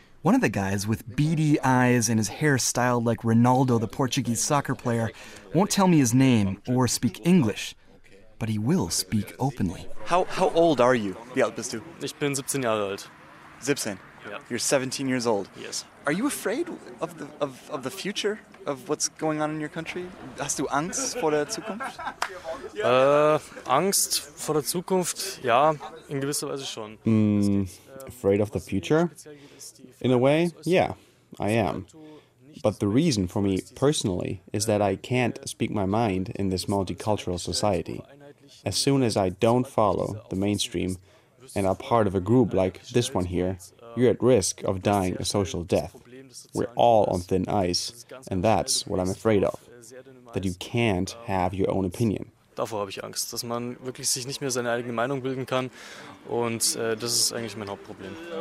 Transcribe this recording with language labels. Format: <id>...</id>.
<en>One of the guys with beady eyes and his hair styled like Ronaldo, the Portuguese soccer player, won't tell me his name or speak English. But he will speak openly. How old are you, Bjalt Bistu?</en> <de>Ich bin 17 Jahre alt.</de> <en>17? Yeah. You're 17 years old. Yes. Are you afraid of the future, of what's going on in your country?</en> <de>Hast du Angst vor der Zukunft? Angst vor der Zukunft, ja, in gewisser Weise schon.</de> <en>Afraid of the future? In a way, yeah, I am. But the reason for me personally is that I can't speak my mind in this multicultural society. As soon as I don't follow the mainstream and are part of a group like this one here, you're at risk of dying a social death. We're all on thin ice, and that's what I'm afraid of, that you can't have your own opinion.</en> <de>Davor habe ich Angst, dass man wirklich sich nicht mehr seine eigene Meinung bilden kann, und das ist eigentlich mein Hauptproblem.</de>